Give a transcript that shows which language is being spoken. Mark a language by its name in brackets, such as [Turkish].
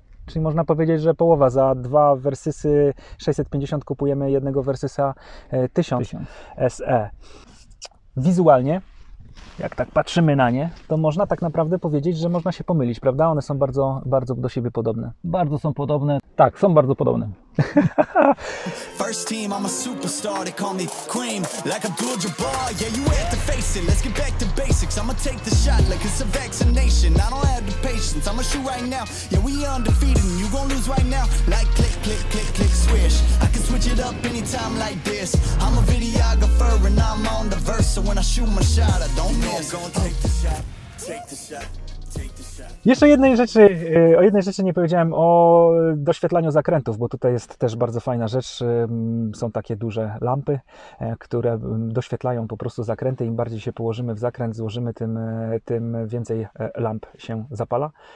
[Polish] Czyli można powiedzieć, że połowa za dwa Versysy 650 kupujemy jednego Versysa 1000 SE. Wizualnie, jak tak patrzymy na nie, to można tak naprawdę powiedzieć, że można się pomylić, prawda? One są bardzo, bardzo do siebie podobne. Bardzo są podobne. Tak, są bardzo podobne. [English] First team, I'm a superstar, they call me Queen. Like a good boy, yeah, you have to face it. Let's get back to basics. I'ma take the shot like it's a vaccination. I don't have the patience, I'ma shoot right now. Yeah, we undefeated and you gon' lose right now. Like click, click, click, click, swish. I can switch it up anytime like this. I'm a videographer and I'm on the verse. So when I shoot my shot, I don't miss. I'm gonna take the shot, take the shot. [Polish] Jeszcze jednej rzeczy, o jednej rzeczy nie powiedziałem, o doświetlaniu zakrętów, bo tutaj jest też bardzo fajna rzecz. Są takie duże lampy, które doświetlają po prostu zakręty. Im bardziej się położymy w zakręt, złożymy, tym więcej lamp się zapala.